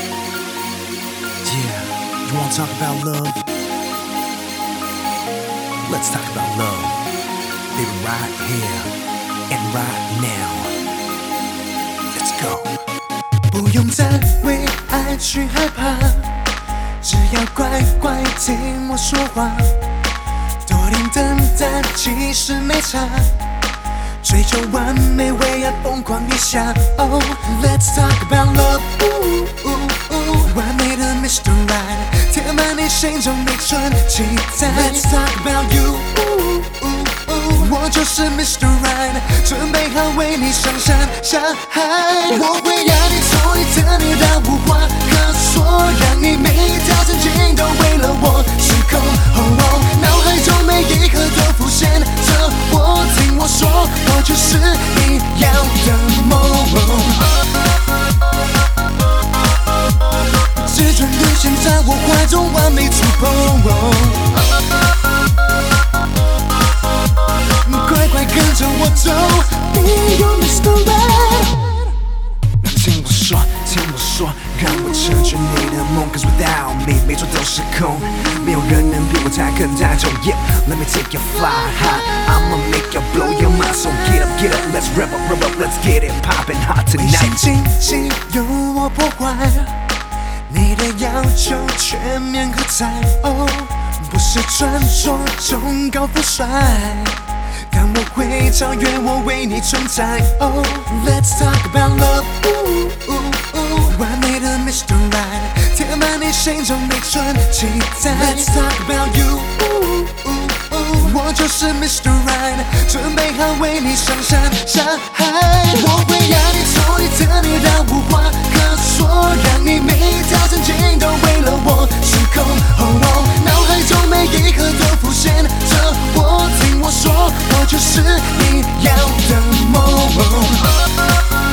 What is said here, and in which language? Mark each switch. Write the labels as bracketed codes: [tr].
[en] You wanna talk about love? Let's talk about love. Baby, right here and right now. Let's go. [zh] 不用再为爱去害怕，只要乖乖听我说话，多点等待其实没差，追求完美为爱疯狂一下。 [en] Oh, let's talk about love. [zh] Ooh, ooh, ooh, 完美的 Mr. Right 填满你心中每寸期待。 [en] Let's talk about you. [zh] Ooh, ooh, ooh, 我就是 Mr. Right 准备好为你上山下海。我会要你从一次你到无话可说，让你每一条神经都为了我失控。 Oh, oh, 脑海中每一刻都浮现着我，听我说，我就是你要的梦。只准兑现在我怀中完美触碰。乖乖跟着我走， [en] Be your Mr. Right。 [zh] 那听我说，听我说，让我成全你的梦。 [en] Cause without me [zh] 每座都是空，没有人能比我再更再重。 [en] Yeah, let me take your fly high, I'ma make you blow your mind. So get up, let's rev up, rev up, let's get it popping hot tonight. [zh] 微信信息由我破坏，你的要求全面喝彩。 Oh, 不是传说中高富帅，但我会超越我为你存在。 [en] Oh, let's talk about love. [zh] Ooh, ooh, ooh, 完美的 Mr. Right 填满你心中每寸期待。 [en] Let's talk about you. [zh] Ooh, ooh, ooh, 我就是 Mr. Right 准备好为你上山下海。我会要你从一次你到无话可说，让你每一条神经都为了我失控。 Oh, oh, 脑海中每一刻都浮现着我，听我说，我就是你要的梦。